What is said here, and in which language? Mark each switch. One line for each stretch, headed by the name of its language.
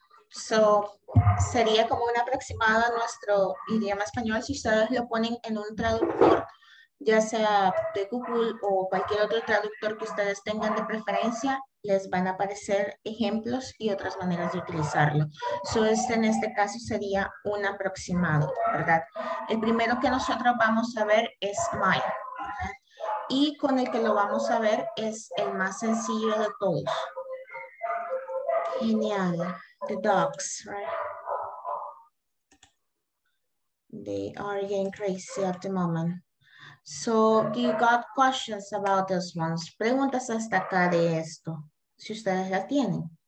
Spanish: So, sería como un aproximado a nuestro idioma español si ustedes lo ponen en un traductor, ya sea de Google o cualquier otro traductor que ustedes tengan de preferencia, les van a aparecer ejemplos y otras maneras de utilizarlo. So, este en este caso sería un aproximado, ¿verdad? El primero que nosotros vamos a ver es my. Y con el que lo vamos a ver es el más sencillo de todos. Genial.
English: The dogs, right? They are getting crazy at the moment. So you got questions about those ones.
Spanish: Preguntas hasta acá de esto, si ustedes la tienen.